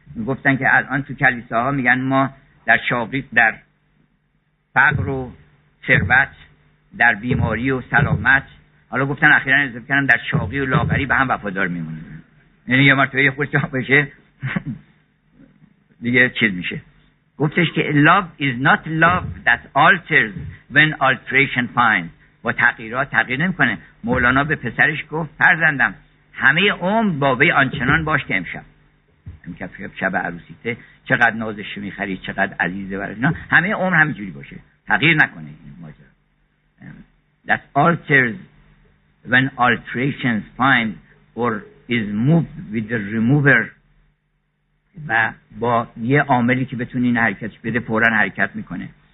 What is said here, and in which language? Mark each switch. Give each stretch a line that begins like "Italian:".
Persian: گفتن که الان تو کلیساها میگن ما در چاقی، در فقر و ثروت، در بیماری و سلامت، حالا گفتن اخیرا اضافه کردن در چاقی و لاغری به هم وفادار میمونن. یعنی یه مرتبه خود چاق بشه دیگه چیز میشه. گفتش که
English: love is not love that alters when alteration finds،
Persian: با تغییرات تغییر نمیکنه. مولانا به پسرش گفت فرزندم همه عمر با وی آنچنان باش که امشب، امشب شب عروسیته، چقدر نازش میخری، چقدر عزیزه برای اینا، همه عمر همینجوری باشه، تغییر نکنه این ماجرا.
English: That alters when alterations find or is moved with the remover،
Persian: و با یه عاملی که بتونی این حرکتش بده فورا حرکت میکنه.